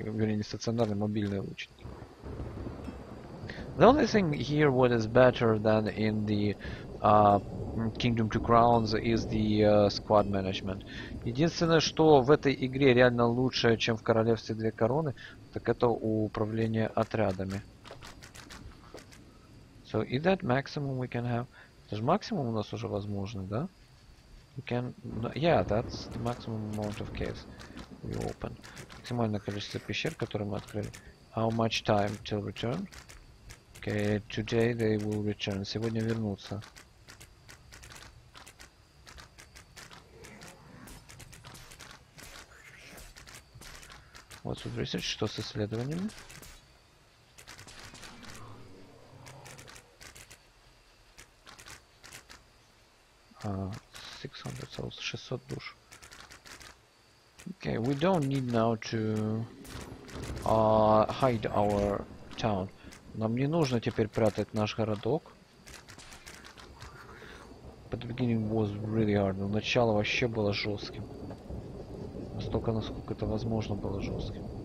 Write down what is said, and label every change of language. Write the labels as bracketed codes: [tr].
[ru] Вернее, не стационарные, мобильные лучники. [en] The only thing here what is better than in the Kingdom to Crowns is the squad management. [ru] Единственное, что в этой игре реально лучше, чем в Королевстве Две Короны, так это управление отрядами. [en] So, is that maximum we can have? [ru] Это же максимум у нас уже возможно, да? [en] We can... Yeah, that's the maximum amount of caves we open. [ru] Максимальное количество пещер, которые мы открыли. [en] How much time till return? Okay, today they will return. [ru] Сегодня вернутся. [en] What's with research? [ru] Что с исследованием? А, 600 душ. [en] Okay, we don't need now to... hide our town. [ru] Нам не нужно теперь прятать наш городок. [en] But the beginning was really hard. [ru] Но начало вообще было жестким. Настолько, насколько это возможно было жестким.